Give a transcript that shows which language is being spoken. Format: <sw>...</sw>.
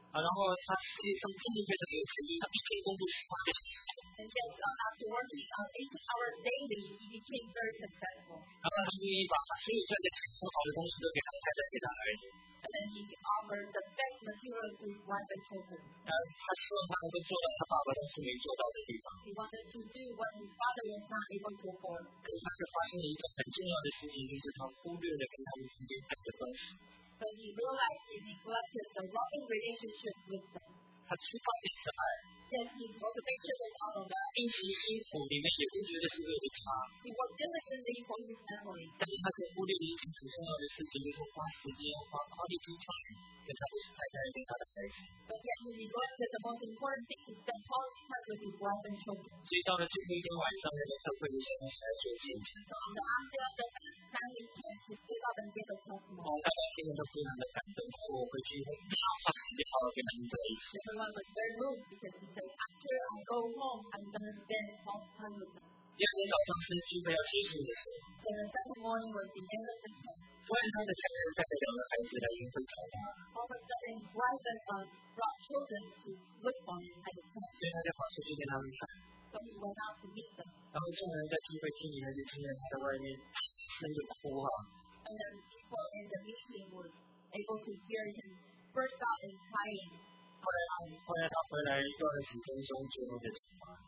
<zh>然后他事业上真的非常有成就，他一天工作18小时。</zh> <en>And yet, after working 8 hours daily, he became very successful.</en> <zh>然后他终于把所有赚的钱、做好的东西都给他太太、给他儿子。</zh> <en>And then he offered the best materials to his wife and children.</en> <zh>他希望他能够做到他爸爸当初没做到的地方。</zh> <en>He wanted to do what his father was not able to afford.</en> <zh>可是他却发现了一件很重要的事情，就是他忽略了跟他们之间爱的关系。</zh> <en>But he realized he neglected the loving relationship with them.</en> <zh>他出发点是爱。</zh> <en>Yes, his motivation was all of that.</en> <zh>并且辛苦里面也不觉得是恶的差。</zh> <en>He worked diligently for his family.</en> <zh>但是他却忽略了一件很重要的事情，就是花时间、花</zh> <en>quality time</en> <zh>跟他的太太、跟他的孩子。</zh> <en>But yet he neglected the most important thing to spend quality time with his wife and children.</en> <zh>所以到了最后一天晚上，那个社会的先生起来做见证。</zh> <en>So after the best family time, he stood up and gave a testimony.</en> <zh>我大家听了都非常的感动，说我回去一定要花时间好好跟他们在一起。</zh> <en>Everyone was very moved because he said, after I go long I'm gonna spend most time with them.</en> <zh>第二天早上是聚会要结束的时候。</zh> <en>The second morning was the end of the time.</en> <zh>突然他的家人带着两个孩子来营会找他。</zh> <en>All of a sudden, driver brought children to look for him at the time.</en> <zh>所以他就跑出去跟他们看。</zh> <en>So he went out to meet them.</en> <zh>然后众人在聚会厅里面就听见他在外面生着哭啊。</zh> <en>And the people in the meeting were able to hear him burst out in crying.</en> <zh>后来他回来做了几分钟最后的讲话。</zh>